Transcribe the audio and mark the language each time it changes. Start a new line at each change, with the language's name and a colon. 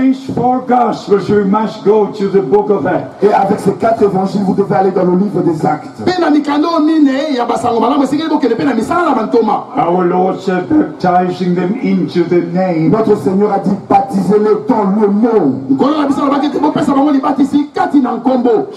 English: these four gospels we must go to the book of Acts.
French: Et avec ces quatre évangiles, vous devez aller dans le livre des Actes.
English: Our Lord said, baptizing them into the name.
French: Notre Seigneur a dit, baptisez-les dans le nom.